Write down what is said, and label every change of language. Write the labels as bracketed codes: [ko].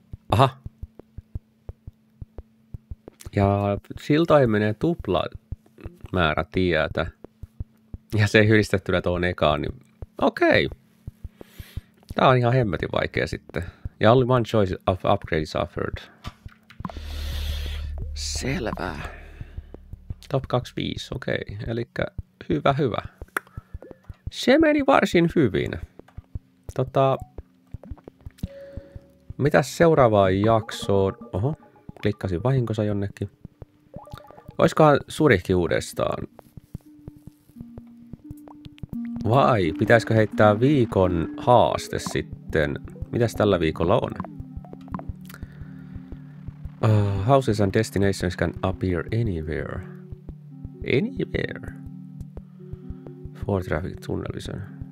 [fi] Aha. Ja siltä menee tupla määrä tietä. Ja se ei yhdistettynä tuohon ekaan, niin okei. Okay. Tää on ihan hemmetin vaikea sitten. [en] Ja only one choice of upgrades offered. [fi] Selvä. Top 25, okei. Okay. Elikkä hyvä, hyvä. Se meni varsin hyvin. Mitäs seuraavaan jaksoon? Oho, klikkasin vahinkosa jonnekin. Olisikohan surihki uudestaan? Vai pitäisikö heittää viikon haaste sitten? Mitäs tällä viikolla on? [en] Houses and destinations can appear anywhere. Anywhere. For traffic tunnel vision.